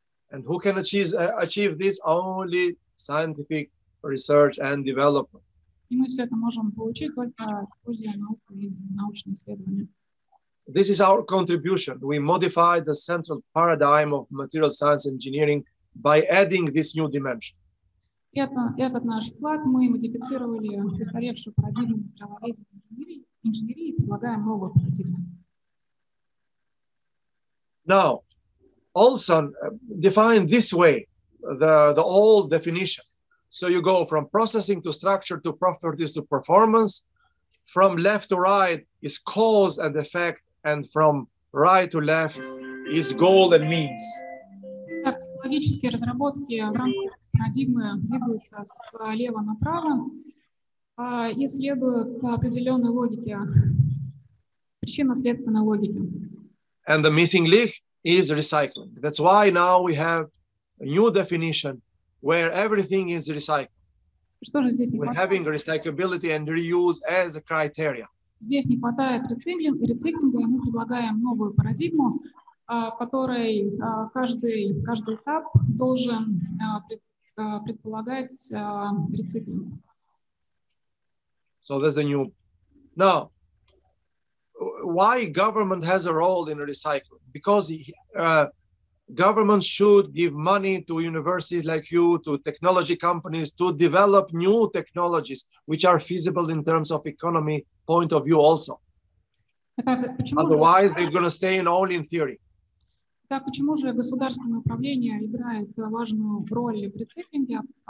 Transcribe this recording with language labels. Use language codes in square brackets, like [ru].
[en] And who can achieve this? Only scientific research and development. [ru] И мы все это можем получить только используя науку и научные исследования. [en] This is our contribution. We modify the central paradigm of material science engineering by adding this new dimension. [ru] Этот наш вклад. Мы модифицировали устаревшую парадигму материаловедения инженерии и предлагаем новую парадигму. [en] Now, Olson defined this way, the old definition. So you go from processing to structure to properties to performance. From left to right is cause and effect, and from right to left is goal and means. [ru] Так, технологические разработки в рамках парадигмы двигаются слева направо и следуют определенной логике, причинно-следственной логике. [en] And the missing link is recycling. That's why now we have a new definition where everything is recycled. [ru] Что же здесь не хватает? [en] We're having recyclability and reuse as a criteria. [ru] Здесь не хватает рециклинга, и мы предлагаем новую парадигму, в которой каждый этап должен предполагать рециклинг. [en] So there's a new... Now, why government has a role in recycling? Because government should give money to universities like you, to technology companies, to develop new technologies which are feasible in terms of economy point of view also. Otherwise, they're going to stay in only in theory. [ru] Так почему же государственное управление играет важную роль в рециклинге?